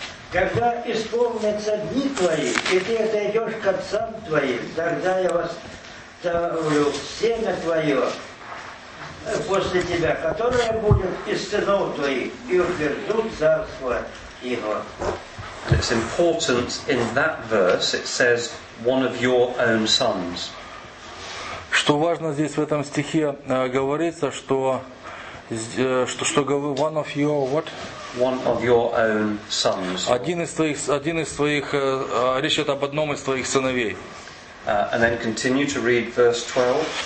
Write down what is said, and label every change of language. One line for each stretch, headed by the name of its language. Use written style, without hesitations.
Russian: Когда исполнятся дни твои, и ты отойдешь к отцам твоим, тогда я восставлю семя твое, после тебя, которая будет из сынов твоих, и утвердут царство его.
English: It's important in that verse, it says, one of your own sons.
Russian: Что важно здесь в этом стихе говорится, что, что говорит
English: one of your what? One of your own sons.
Russian: Один из твоих, речь идет об одном из твоих сыновей.
English: And then continue to read verse 12.